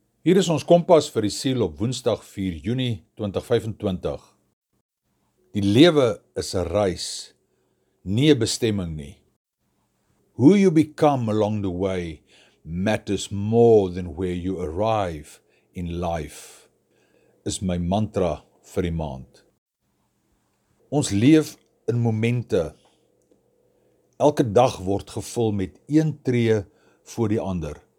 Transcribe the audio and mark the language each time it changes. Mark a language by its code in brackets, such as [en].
[af] Hier is ons kompas vir die siel op woensdag 4 Junie 2025. Die lewe is 'n reis, nie 'n bestemming nie. [en] Who you become along the way matters more than where you arrive in life, is my mantra [af] vir die maand. Ons leef in momente. Elke dag word gevul met een tree voor die ander.